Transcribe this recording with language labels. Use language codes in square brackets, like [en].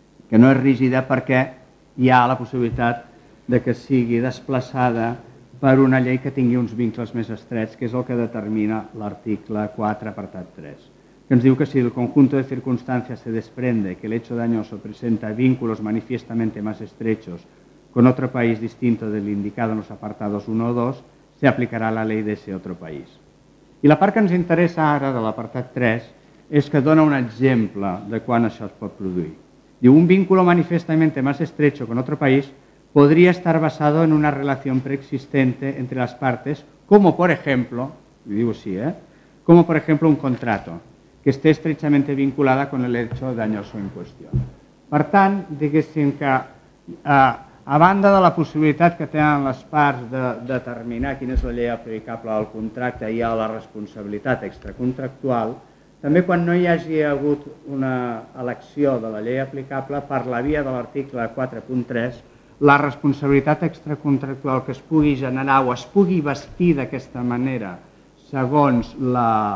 [ca] que no és rígida perquè hi ha la possibilitat de que sigui desplaçada per una llei que tingui uns vincles més estrets, que és el que determina l'article 4, apartat 3, que ens diu que si [es] el conjunto de circunstancias se desprende que el hecho dañoso presenta vínculos manifiestamente más estrechos con otro país [ca] distinto del indicado en los apartados 1 o 2, se aplicará la ley de ese otro país. I la part que ens interessa ara de l'apartat 3 és que dona un exemple de quan això es pot produir. [es] Diu, un vínculo manifiestamente más estrecho con otro país podría estar basado en una relación preexistente entre las partes como por ejemplo, digo sí, como por ejemplo un contrato que esté estrechamente vinculada con el hecho dañoso en cuestión. [ca] Per tant, diguéssim que a banda de la possibilitat que tenen les parts de determinar quina és la llei aplicable al contracte i a la responsabilitat extracontractual, també quan no hi hagi hagut una elecció de la llei aplicable per la via de l'article 4.3, la responsabilitat extracontractual que es pugui generar o es pugui vestir d'aquesta manera segons la